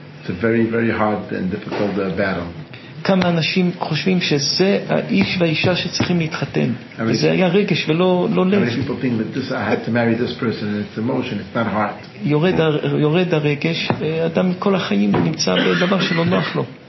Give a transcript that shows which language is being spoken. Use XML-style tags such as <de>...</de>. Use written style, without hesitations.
<en>It's a very, very hard and difficult battle.</en> <he>כמה אנשים חושבים שזה האיש והאישה שצריכים להתחתן. וזה היה רגש ולא לב.</he> <en>How many people think that this, I had to marry this person, and it's emotion, it's not heart.</en> <he>יורד הרגש, אדם כל החיים נמצא בדבר שלא נוח לו.</he>